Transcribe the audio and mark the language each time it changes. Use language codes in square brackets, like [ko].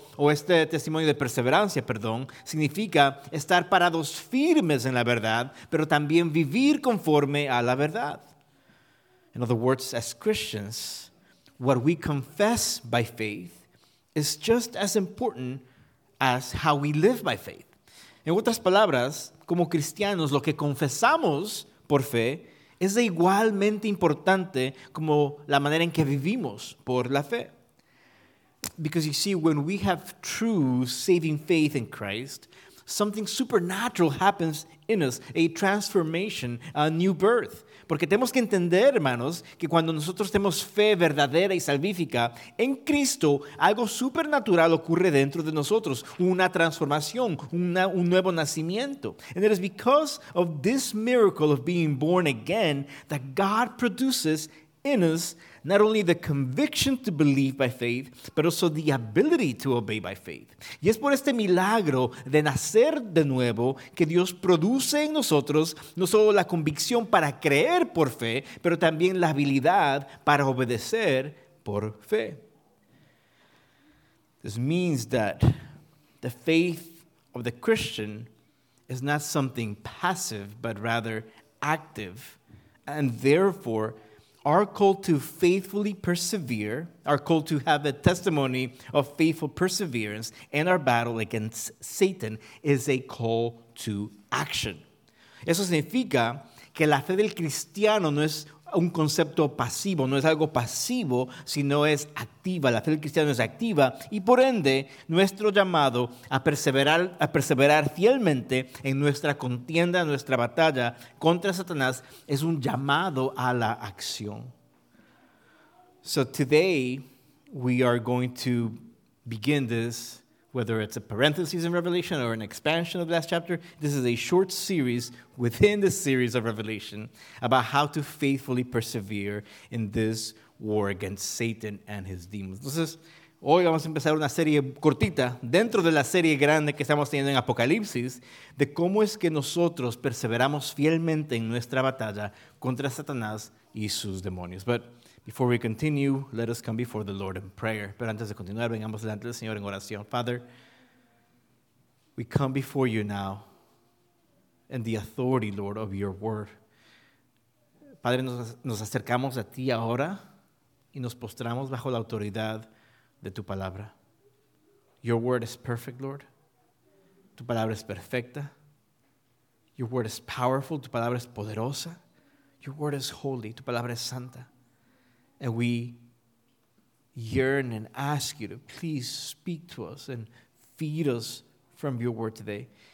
[es] Este testimonio de perseverancia, significa estar parados firmes en la verdad, pero también vivir conforme a la verdad. [en] In other words, as Christians, what we confess by faith is just as important as how we live by faith. [es] En otras palabras, como cristianos, lo que confesamos por fe es de igualmente importante como la manera en que vivimos por la fe. [en] Because you see, when we have true saving faith in Christ, something supernatural happens in us, a transformation, a new birth. [es] Porque tenemos que entender, hermanos, que cuando nosotros tenemos fe verdadera y salvífica en Cristo, algo supernatural ocurre dentro de nosotros, una transformación, un nuevo nacimiento. [en] And it is because of this miracle of being born again that God produces in us not only the conviction to believe by faith, but also the ability to obey by faith. [es] Y es por este milagro de nacer de nuevo que Dios produce en nosotros no solo la convicción para creer por fe, pero también la habilidad para obedecer por fe. [en] This means that the faith of the Christian is not something passive, but rather active, and therefore our call to faithfully persevere, our call to have a testimony of faithful perseverance in our battle against Satan is a call to action. [es] Eso significa que la fe del cristiano no es un concepto pasivo, no es algo pasivo, sino es activa. La fe del cristiano es activa y por ende nuestro llamado a perseverar fielmente en nuestra contienda, nuestra batalla contra Satanás es un llamado a la acción. [en] So today we are going to begin this, whether it's a parenthesis in Revelation or an expansion of the last chapter, this is a short series within the series of Revelation about how to faithfully persevere in this war against Satan and his demons. [es] Entonces, hoy vamos a empezar una serie cortita dentro de la serie grande que estamos teniendo en Apocalipsis de cómo es que nosotros perseveramos fielmente en nuestra batalla contra Satanás y sus demonios. [en] But before we continue, let us come before the Lord in prayer. [es] Pero antes de continuar, vengamos delante del Señor en oración. [en] Father, we come before you now in the authority, Lord, of your word. [es] Padre, nos acercamos a ti ahora y nos postramos bajo la autoridad de tu palabra. [en] Your word is perfect, Lord. [es] Tu palabra es perfecta. [en] Your word is powerful. [es] Tu palabra es poderosa. [en] Your word is holy. [es] Tu palabra es santa. [en] And we yearn and ask you to please speak to us and feed us from your word today.